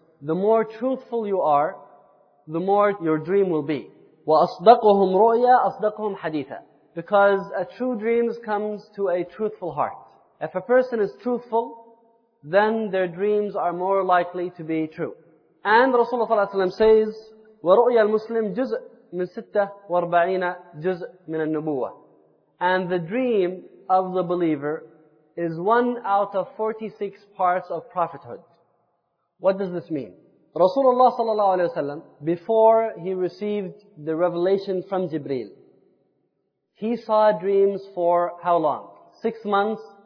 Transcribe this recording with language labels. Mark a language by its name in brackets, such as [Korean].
[English] The more truthful you are, the more your dream will be. [Arabic] وَأَصْدَقُهُمْ رُؤْيَا أَصْدَقُهُمْ حَدِيثًا. [English] Because a true dream comes to a truthful heart. If a person is truthful, then their dreams are more likely to be true. And Rasulullah ﷺ says, [Arabic] وَرُؤْيَا الْمُسْلِمْ جُزْءٌ مِنْ سِتَّةٌ وَأَرْبَعِينَ جُزْءٌ مِنَ النُّبُوَّةِ. [English] And the dream of the believer is one out of 46 parts of prophethood. What does this mean? Rasulullah ﷺ, before he received the revelation from Jibreel, he saw dreams for how long? 6 months.